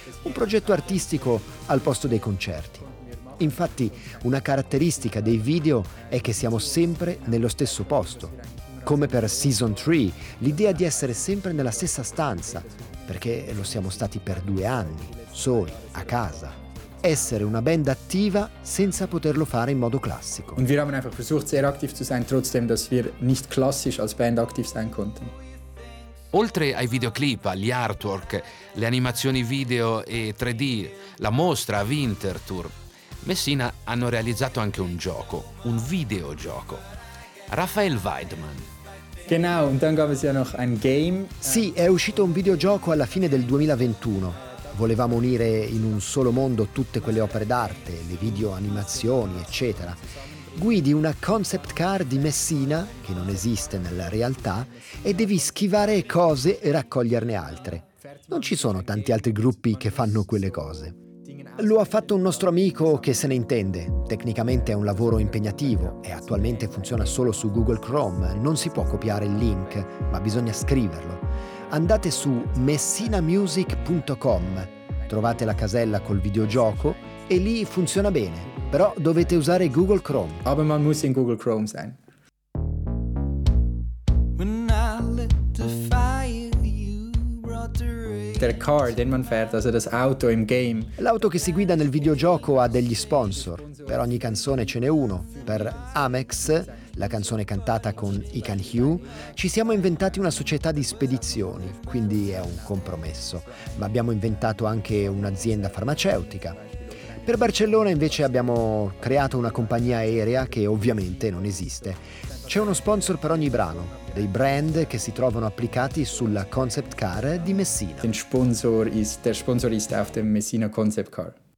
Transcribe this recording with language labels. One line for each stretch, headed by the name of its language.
Italian: Un progetto artistico al posto dei concerti. Infatti, una caratteristica dei video è che siamo sempre nello stesso posto. Come per Season 3, l'idea di essere sempre nella stessa stanza, perché lo siamo stati per 2 anni, soli, a casa. Essere una band attiva senza poterlo fare in modo classico.
German: Und wir haben einfach versucht, sehr aktiv zu sein, trotzdem, dass wir nicht klassisch als Band aktiv sein konnten.
Italian: Oltre ai videoclip, agli artwork, le animazioni video e 3D, la mostra Winterthur, Messina hanno realizzato anche un gioco, un videogioco. Rafael Weidman.
German: Genau, und dann gab es ja noch ein Game.
Italian: Sì, è uscito un videogioco alla fine del 2021. Volevamo unire in un solo mondo tutte quelle opere d'arte, le video animazioni, eccetera. Guidi una concept car di Messina, che non esiste nella realtà, e devi schivare cose e raccoglierne altre. Non ci sono tanti altri gruppi che fanno quelle cose. Lo ha fatto un nostro amico che se ne intende. Tecnicamente è un lavoro impegnativo e attualmente funziona solo su Google Chrome. Non si può copiare il link, ma bisogna scriverlo. Andate su messinamusic.com, trovate la casella col videogioco e lì funziona bene, però dovete usare Google Chrome.
German: Aber man muss in Google Chrome sein.
English: When I lit the fire, you brought the
German: der Car, den man fährt, also das Auto im Game.
Italian: L'auto che si guida nel videogioco ha degli sponsor. Per ogni canzone ce n'è uno. Per Amex, la canzone cantata con Ican Hugh, ci siamo inventati una società di spedizioni, quindi è un compromesso. Ma abbiamo inventato anche un'azienda farmaceutica. Per Barcellona invece abbiamo creato una compagnia aerea che ovviamente non esiste. C'è uno sponsor per ogni brano, dei brand che si trovano applicati sulla concept car di Messina.
German: Der Sponsor ist auf dem Messina concept car.